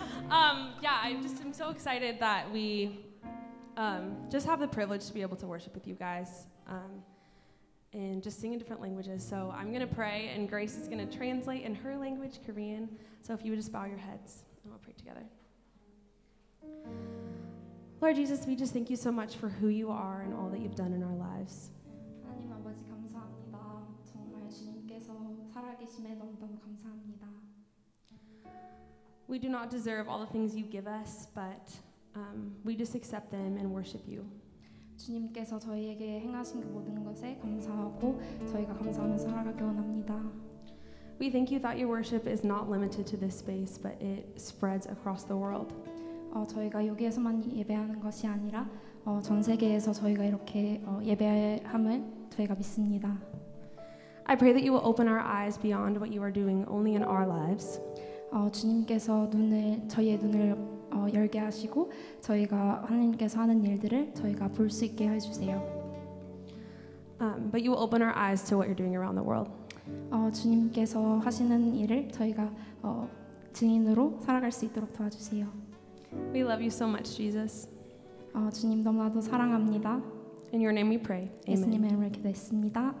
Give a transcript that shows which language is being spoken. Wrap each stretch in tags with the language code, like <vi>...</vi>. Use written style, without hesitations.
<en>I just am so excited that we just have the privilege to be able to worship with you guys and just sing in different languages. So I'm going to pray, and Grace is going to translate in her language, Korean. So if you would just bow your heads, and we'll pray together. Lord Jesus, we just thank you so much for who you are and all that you've done in our lives.</en> <ko>하나님 아버지 감사합니다. 정말 주님께서 살아계심에 너무너무 감사합니다.</ko> <en>We do not deserve all the things you give us, but we just accept them and worship you.</en> <ko>주님께서 저희에게 행하신 그 모든 것에 감사하고 저희가 감사하면서 살아가길 원합니다.</ko> <en>We thank you that your worship is not limited to this space, but it spreads across the world.</en> <ko>저희가 여기에서만 예배하는 것이 아니라 전 세계에서 저희가 이렇게 예배함을 저희가 믿습니다.</ko> <en>I pray that you will open our eyes beyond what you are doing only in our lives.</en> <ko>주님께서 눈을 저희의 눈을 열게 하시고 저희가 하나님께서 하는 일들을 저희가 볼 수 있게 해 주세요.</ko> <en>But you will open our eyes to what you're doing around the world.</en> <ko>주님께서 하시는 일을 저희가 증인으로 살아갈 수 있도록 도와주세요.</ko> <en>We love you so much, Jesus.</en> <ko>주님 너무나도 사랑합니다.</ko> <en>In your name we pray. Amen.</en> <ko>예수님의 이름으로 기도했습니다.</ko>